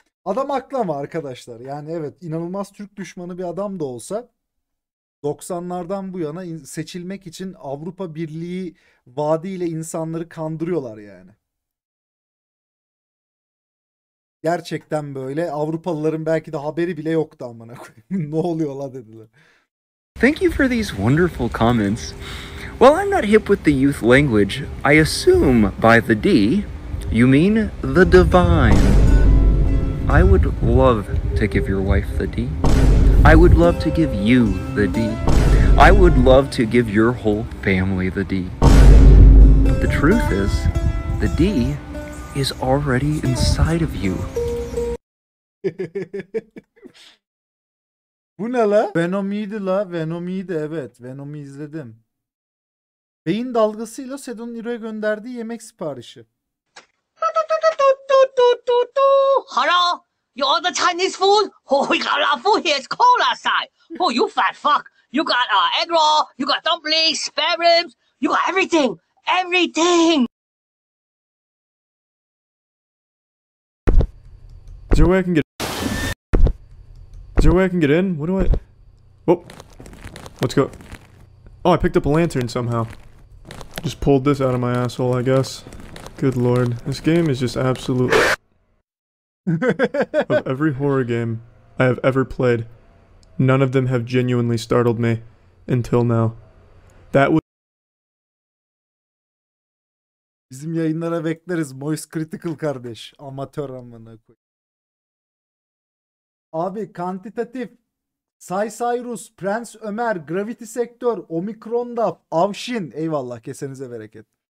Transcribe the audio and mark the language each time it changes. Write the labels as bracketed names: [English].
[Turkish] Adam aklama arkadaşlar. Yani evet, inanılmaz Türk düşmanı bir adam da olsa 90'lardan bu yana seçilmek için Avrupa Birliği vaadiyle insanları kandırıyorlar yani. Gerçekten böyle Avrupalıların belki de haberi bile yoktu amına koyayım. Ne oluyor la dediler. [English] Thank you for these wonderful comments. Well, I'm not hip with the youth language. I assume by the D, you mean the divine. I would love to give your wife the D. I would love to give you the D. I would love to give your whole family the D. But the truth is, the D is already inside of you. [Turkish] Bu ne la? Venom iyiydi la. Venom iyiydi, evet. Venom'u izledim. Beyin dalgasıyla Sedon'un İro'ya gönderdiği yemek siparişi. [English] Hello. You are the Chinese food? Oh, we got a food here. It's cold outside. Oh, you fat fuck. You got egg roll. You got dumplings, spare ribs. You got everything. Everything. Is there a way I can get in? Is there a way I can get in? What do I... Whoop. Let's go. Oh, I picked up a lantern somehow. Just pulled this out of my asshole, I guess. Good lord. This game is just absolute... Of every horror game I have ever played, none of them have genuinely startled me until now. That was... [Turkish] Bizim yayınlara bekleriz. Moist Critical kardeş. Amatör amına koy. Abi kantitatif. Say Cyrus, Prens Ömer, Gravity Sektör, Omikron'da, Avşin. Eyvallah, kesenize bereket.